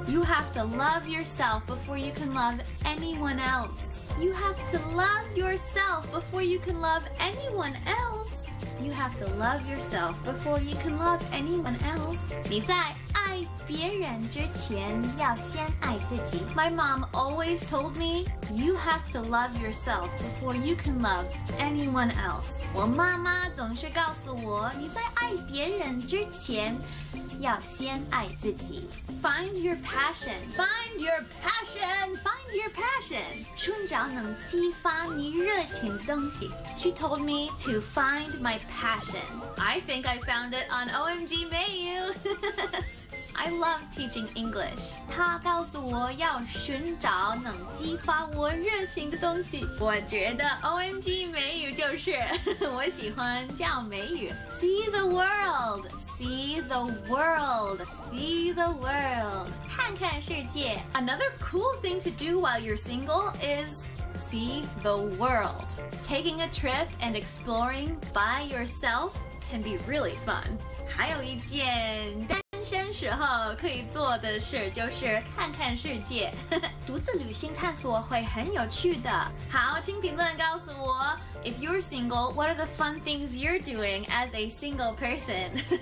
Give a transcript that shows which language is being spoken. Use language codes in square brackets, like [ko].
[en] You have to love yourself before you can love anyone else. You have to love yourself before you can love anyone else. You have to love yourself before you can love anyone else. [zh] 你在爱别人之前要先爱自己。 [en] My mom always told me, you have to love yourself before you can love anyone else. [zh] 我妈妈总是告诉我，你在爱别人之前要先爱自己。 [en] Find your passion. Find your passion. Find your passion. [zh] 寻找能激发你热情的东西。 [en] She told me to find my passion. I think I found it on OMG 美语。 I love teaching English. [zh] 她告诉我要寻找能激发我热情的东西。我觉得 OMG 美语就是我喜欢叫美语。 [en] See the world! See the world! See the world! [zh] 看看世界。 [en] Another cool thing to do while you're single is see the world. Taking a trip and exploring by yourself can be really fun. [zh] 还有一件单身时候可以做的事就是看看世界，独自旅行探索会很有趣的。好，请评论告诉我 [en] ，If you're single, what are the fun things you're doing as a single person?